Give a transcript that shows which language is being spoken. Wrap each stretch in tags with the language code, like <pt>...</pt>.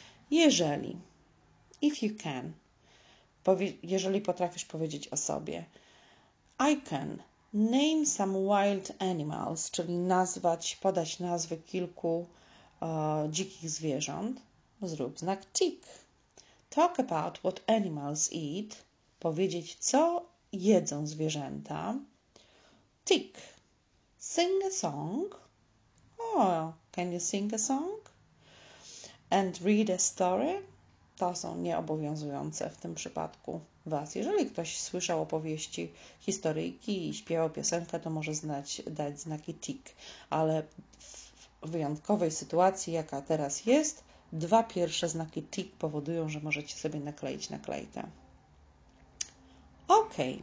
<pl>Jeżeli,</pl> <en>if you can,</en> <pl>jeżeli potrafisz powiedzieć o sobie,</pl> <en>I can name some wild animals,</en> <pl>czyli nazwać, podać nazwy kilku dzikich zwierząt, zrób znak tick.</pl> <en>Talk about what animals eat,</en> <pl>powiedzieć co jedzą zwierzęta,</pl> <en>tick. Sing a song, oh, can you sing a song? And read a story,</en> <pl>to są nieobowiązujące w tym przypadku Was. Jeżeli ktoś słyszał opowieści, historyjki i śpiewał piosenkę, to może dać znaki tick. Ale w wyjątkowej sytuacji, jaka teraz jest, dwa pierwsze znaki tick powodują, że możecie sobie nakleić naklejkę. Ok.</pl>